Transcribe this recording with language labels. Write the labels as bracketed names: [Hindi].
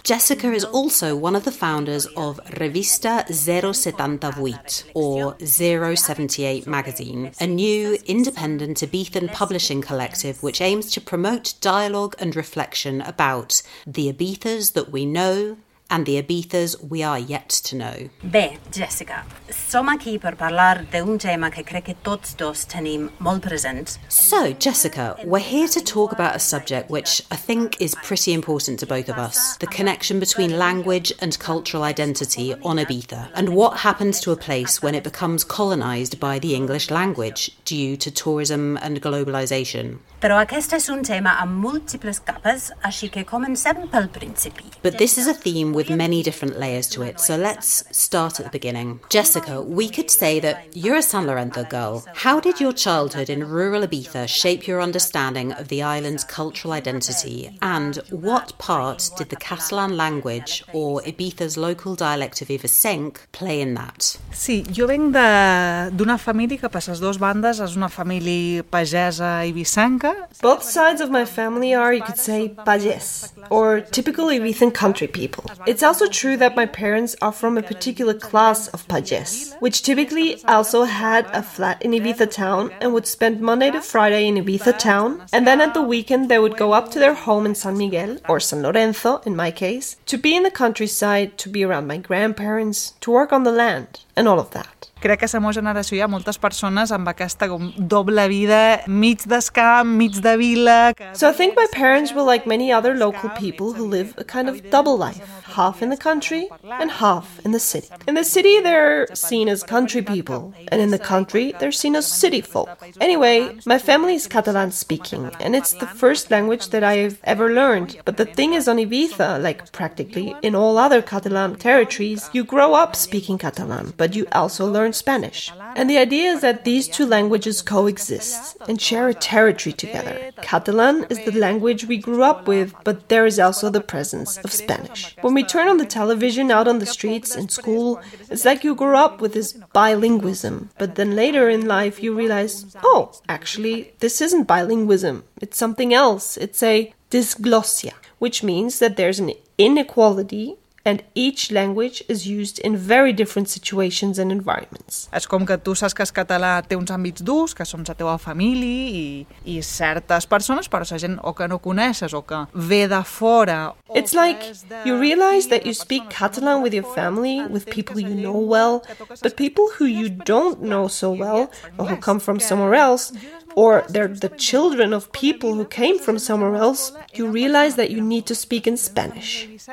[English] Jessica is also one of the founders of Revista 078, or 078 Magazine, a new independent Ibizan publishing collective which aims to promote dialogue and reflection about the Ibizas that we know and the Ibizas we are yet to know. [Catalan] Bé, Jessica, som aquí per parlar d'un tema que crec que tots dos tenim molt present. [English] So, Jessica, we're here to talk about a subject which I think is pretty important to both of us, the connection between language and cultural identity on Ibiza, and what happens to a place when it becomes colonised by the English language due to tourism and globalisation. [Catalan] Però aquest és un tema amb múltiples capes, així que comencem pel principi. [English] But this is a theme with many different layers to it, so let's start at the beginning. Jessica, we could say that you're a San Lorenzo girl. How did your childhood in rural Ibiza shape your understanding of the island's cultural identity? And what part did the Catalan language, or Ibiza's local dialect of Ivesenc, play in that? [Catalan] Sí, jo venc d'una família que passa les dues bandes, és una família pagesa ibicenca. [English] Both sides of my family are, you could say, pagès, or typical Ibizan country people. It's also true that my parents are from a particular class of pagés, which typically also had a flat in Ibiza town and would spend Monday to Friday in Ibiza town, and then at the weekend they would go up to their home in San Miguel, or San Lorenzo in my case, to be in the countryside, to be around my grandparents, to work on the land, and all of that. [Catalan] Crec que a la meva generació hi ha moltes persones amb aquesta com doble vida, mig d'escamp, mig de vila. [English] So I think my parents were like many other local people who live a kind of double life, half in the country and half in the city. In the city they're seen as country people, and in the country they're seen as city folk. Anyway, my family is Catalan speaking, and it's the first language that I've ever learned. But the thing is, on Ibiza, like practically in all other Catalan territories, you grow up speaking Catalan, but you also learn Spanish. And the idea is that these two languages coexist and share a territory together. Catalan is the language we grew up with, but there is also the presence of Spanish. When we turn on the television out on the streets in school, it's like you grew up with this bilingualism, but then later in life you realize, oh, actually, this isn't bilingualism, it's something else. It's a disglosia, which means that there's an inequality and each language is used in very different situations and environments. [Catalan] És com que tu saps que el català té uns àmbits durs, que són la teva família i certes persones, però la gent o que no coneixes o que ve de fora. [English] It's like you realize that you speak Catalan with your family, with people you know well, but people who you don't know so well or who come from somewhere else, or they're the children of people who came from somewhere else, you realize that you need to speak in Spanish.